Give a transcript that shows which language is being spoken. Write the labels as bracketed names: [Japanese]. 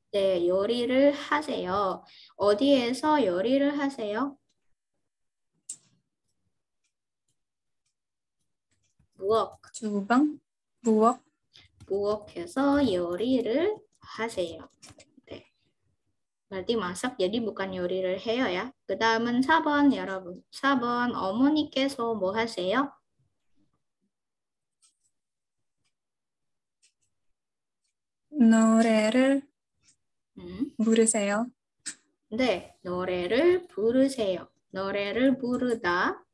[Korean] 네, 요리를 하세요. 어디에서 요리를 하세요? 부엌. 주방? 부엌? 부엌에서 요리를 하세요. 네. [Indonesian] Berarti masak jadi bukan [Korean] 요리를 해요 [Indonesian] ya. [Korean] 그 다음은 4번 여러분. 4번 어머니께서 뭐 하세요? 노래를 부르세요. 네, 노래를 부르세요. 노래를 부르다.